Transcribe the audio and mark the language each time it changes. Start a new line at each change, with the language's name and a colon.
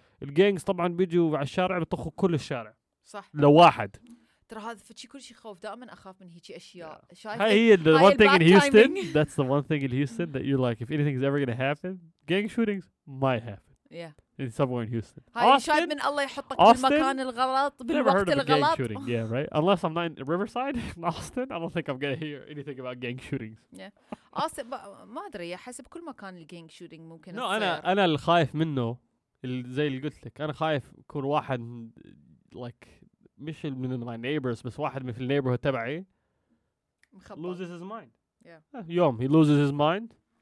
English: The gangs
Arabic: طبعا بيجوا على الشارع بيطخوا كل الشارع. صح. لو واحد. ترى هذا فشي كل شيء خوف دائما أخاف من هيك أشياء. هاي هي
English: the one thing in Houston. That's the one thing in Houston that you're like, if anything is ever gonna happen, gang shootings might happen. Yeah. It's somewhere in Houston.
Arabic: هاي شايف من الله يحطك Austin? في المكان الغلط بالوقت
English: Never heard of
Arabic: الغلط.
English: A gang shooting. Yeah, right. Unless I'm not in Riverside, in Austin, I don't think I'm gonna hear anything about gang shootings. Yeah.
Arabic: Austin, ما أدري حسب كل مكان الgang shooting ممكن.
English: No,
Arabic: أنا الخايف منه. زي اللي قلت لك أنا خايف يكون واحد like مش من
English: my neighbors
Arabic: بس واحد من في neighborhood تبعي مخبط.
English: loses his mind yeah.
Arabic: يوم
English: he loses his mind